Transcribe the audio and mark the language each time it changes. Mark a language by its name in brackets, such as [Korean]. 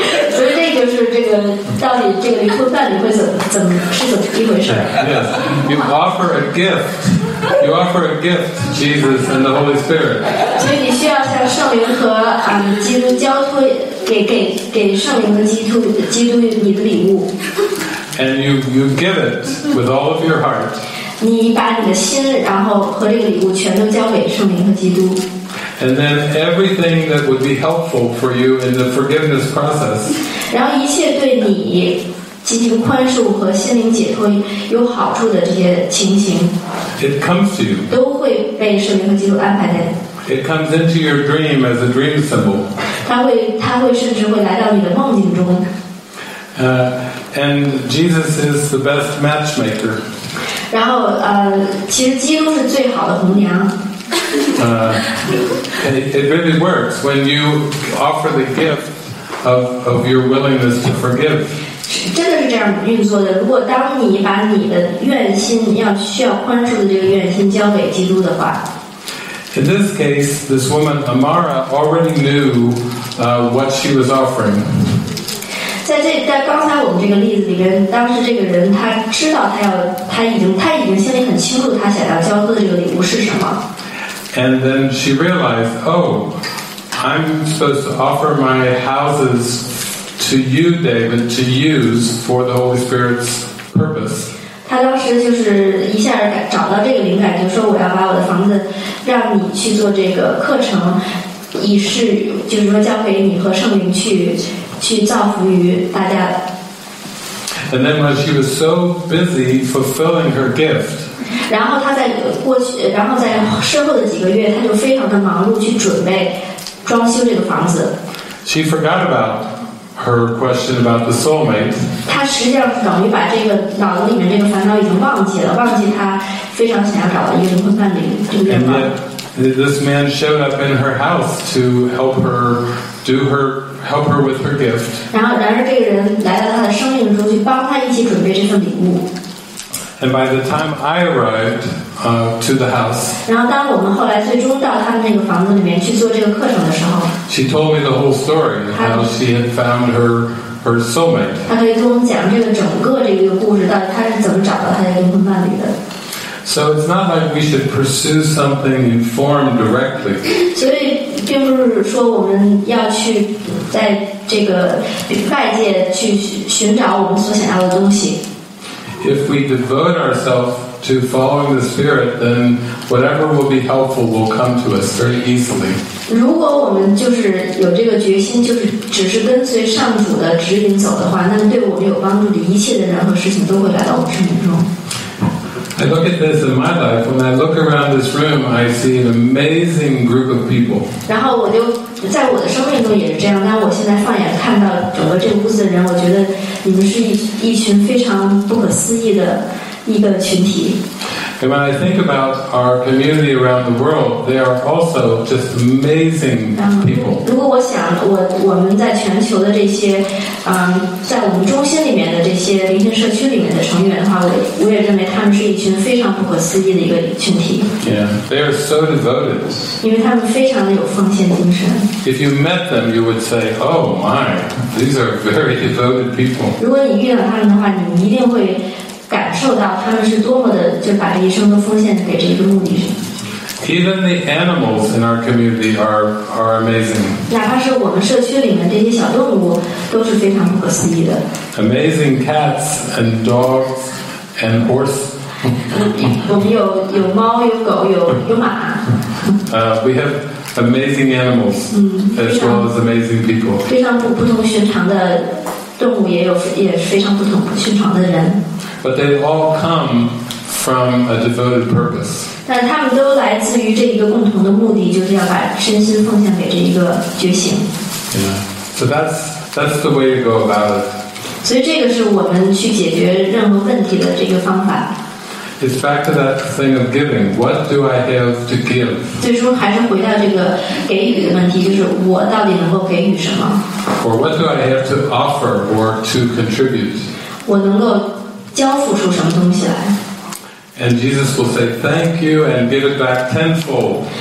[Chinese] 所以这就是这个到底这个灵魂伴侣会怎么一回事？ [English] Yes, you offer a gift. You offer a gift to Jesus and the Holy Spirit. [Chinese] 所以你需要向圣灵和基督交托给圣灵和基督你的礼物。 [English] And you give it with all of your heart. [Chinese] 你把你的心，然后和这个礼物全都交给圣灵和基督。 [English] And then everything that would be helpful for you in the forgiveness process. [Chinese] 然后一切对你进行宽恕和心灵解脱有好处的这些情形， [English] it comes to you. [Chinese] 都会被圣灵和基督安排在。 [English] It comes into your dream as a dream symbol. [Chinese] 它会甚至会来到你的梦境中。 [English] And Jesus is the best matchmaker. [Chinese] 然后其实基督是最好的红娘。 [English] It really works when you offer the gift of your willingness to forgive. [Chinese] 真的是这样运作的。如果当你把你的愿心，需要宽恕的这个愿心交给基督的话。 [English] In this case, this woman Amara already knew what she was offering. [Chinese] 在刚才我们这个例子里边，当时这个人他知道他已经心里很清楚他想要交付的这个礼物是什么。 [English] And then she realized, oh, I'm supposed to offer my houses to you, David, to use for the Holy Spirit's purpose. [Chinese] 她当时就是一下找到这个灵感，就说我要把我的房子让你去做这个课程，以示就是说交给你和圣灵去造福于大家。 [English] And then when she was so busy fulfilling her gift, [Chinese] 然后她在过去，然后在身后的几个月，她就非常的忙碌去准备装修这个房子。 [English] She forgot about her question about the soulmate. [Chinese] 她实际上等于把这个脑子里面这个烦恼已经忘记了，忘记她非常想要找的一个灵魂伴侣，对不对？ [English] And yet, this man showed up in her house to help her do her. Help her with her gift. [Chinese] 然后然而这个人来到他的生命中去帮他一起准备这份礼物。 [English] And by the time I arrived, to the house, [Chinese] 然后当我们后来最终到他们那个房子里面去做这个课程的时候， [English] she told me the whole story, how she had found her soulmate. [Chinese] 他可以跟我们讲这个整个这个故事，到底他是怎么找到他的灵魂伴侣的。 [English] So it's not like we should pursue something in form directly. [Chinese] 所以并不是说我们要去在这个外界去寻找我们所想要的东西。 [English] If we devote ourselves to following the Spirit, then whatever will be helpful will come to us very easily. [Chinese] 如果我们就是有这个决心，就是只是跟随上主的指引走的话，那么对我们有帮助的一切的人和事情都会来到我们生命中。 [English] I look at this in my life. When I look around this room, I see an amazing group of people. [Chinese] 然后我就在我的生命中也是这样。但我现在放眼看到整个这个屋子的人，我觉得你们是一群非常不可思议的一个群体。 [English] And when I think about our community around the world, they are also just amazing people. [Chinese] 如果我想我们在全球的这些，在我们中心里面的这些灵性社区里面的成员的话，我也认为他们是一群非常不可思议的一个群体。 [English] Yeah, they are so devoted. [Chinese] 因为他们非常的有奉献精神。 [English] If you met them, you would say, "Oh my, these are very devoted people." [Chinese] 如果你遇到他们的话，你一定会。感受到他们是多么的就把一生都奉献给这个目的。 [English] Even the animals in our community are amazing. [Chinese] 哪怕是我们社区里面这些小动物都是非常不可思议的。 [English] Amazing cats and dogs and horse. [Chinese] 我们有猫，有狗，有马。 [English] We have amazing animals as well as amazing people. [Chinese] 非常不同寻常的动物，也非常不同寻常的人。 [English] But they all come from a devoted purpose. [Chinese] 但他们都来自于这一个共同的目的，就是要把身心奉献给这一个觉醒。 [English] Yeah. So that's the way to go about it. [Chinese] 所以这个是我们去解决任何问题的这个方法。 [English] It's back to that thing of giving. What do I have to give? [Chinese] 最终还是回到这个给予的问题，就是我到底能够给予什么？ [English] Or what do I have to offer or to contribute? [Chinese] 我能够交付出什么东西来。 [English] And Jesus will say, thank you, and give it back tenfold.